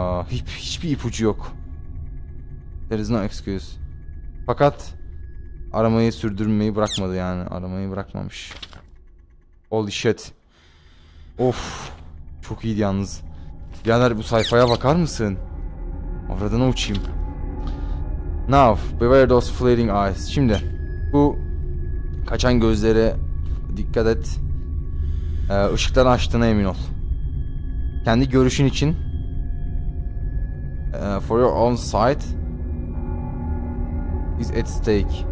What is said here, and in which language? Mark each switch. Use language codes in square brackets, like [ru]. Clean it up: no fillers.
[tr] Hiçbir ipucu yok. [en] There is no excuse. [tr] Fakat aramayı sürdürmeyi bırakmadı yani. Aramayı bırakmamış. [en] Holy shit. [tr] Of. Çok iyiydi yalnız. Yener, bu sayfaya bakar mısın? Orada ne uçayım? [en] Now, beware those flaring eyes. [tr] Şimdi, bu kaçan gözlere dikkat et. Işıkları açtığına emin ol. Kendi görüşün için. [en] For your own sight is at stake.